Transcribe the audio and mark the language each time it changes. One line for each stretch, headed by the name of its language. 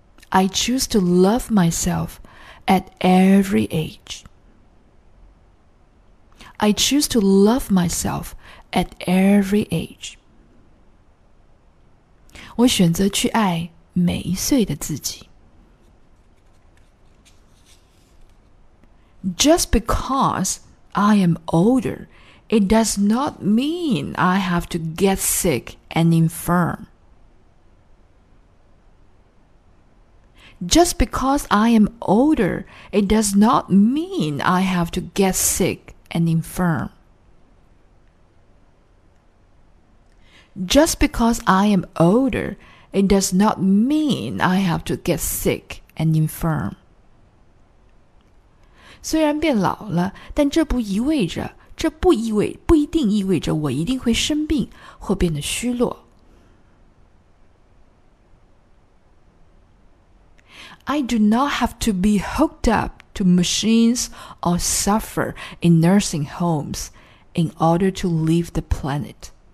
English: I choose to love myself at every age. I choose to love myself at every age.
Chinese: 我选择去爱每一岁的自己。
English: Just because I am older, it does not mean I have to get sick and infirm. Just because I am older, it does not mean I have to get sick and infirm. Just because I am older, it does not mean I have to get sick and infirm.
Chinese: 虽然变老了，但这不意味着，这不意味，不一定意味着我一定会生病或变得虚弱。
English: I do not have to be hooked up to machines or suffer in nursing homes in order to leave the planet.